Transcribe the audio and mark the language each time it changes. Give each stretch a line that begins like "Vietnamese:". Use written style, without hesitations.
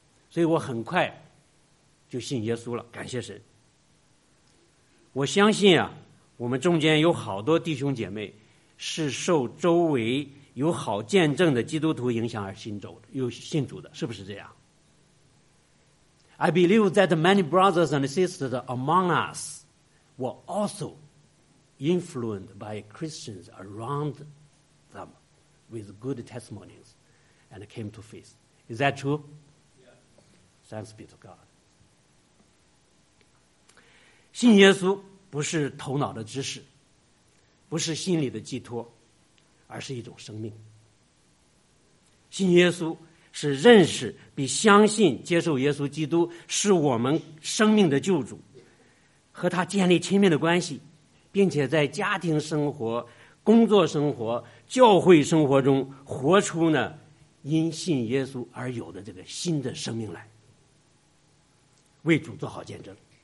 Chinese: 所以我很快就信耶稣了，感谢神。我相信啊，我们中间有好多弟兄姐妹是受周围有好见证的基督徒影响而信主的，是不是这样？
English: I believe that many brothers and sisters among us were also influenced by Christians around them with good testimonies and came to faith. Is that true? Yes. Thanks be to God.
Chinese: 信耶稣不是头脑的知识，不是心理的寄托，而是一种生命。信耶稣是认识比相信接受耶稣基督是我们生命的救主，和他建立亲密的关系，并且在家庭生活、工作生活、教会生活中活出呢因信耶稣而有的这个新的生命来，为主做好见证。